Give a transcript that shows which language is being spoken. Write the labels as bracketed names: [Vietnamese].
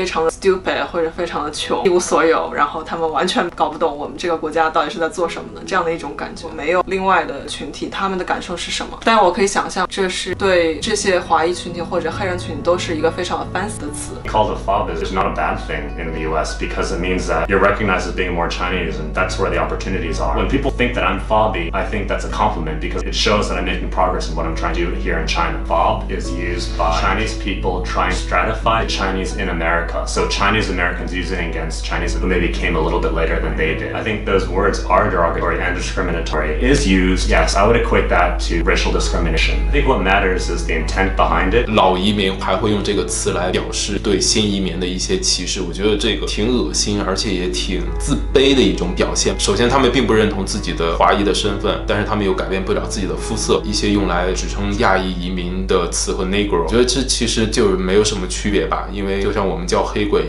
[English] stupid [Chinese] 或者非常的穷一无所有然后他们完全搞不懂我们这个国家到底是在做什么的这样的一种感觉没有另外的群体他们的感受是什么但我可以想象这是对这些华裔群体或者黑人群体都是一个非常 fancy 的词 [English] Called a fob is not a bad thing in the US because it means that you're recognized as being more Chinese and that's where the opportunities are When people think that I'm fobby I think that's a compliment because it shows that I'm making progress in what I'm trying to do here in China Fob is used by Chinese people trying to stratify Chinese in America So Chinese Americans use it against Chinese who maybe came a little bit later than they did I think those words are derogatory and discriminatory is used Yes, I would equate that to racial discrimination I think what matters is the intent behind it [Chinese] 老移民还会用这个词来表示对新移民的一些歧视我觉得这个挺恶心而且也挺自卑的一种表现首先他们并不认同自己的华裔的身份但是他们又改变不了自己的肤色一些用来指称亚裔移民的词和 Negro 我觉得这其实就没有什么区别吧因为就像我们叫黑鬼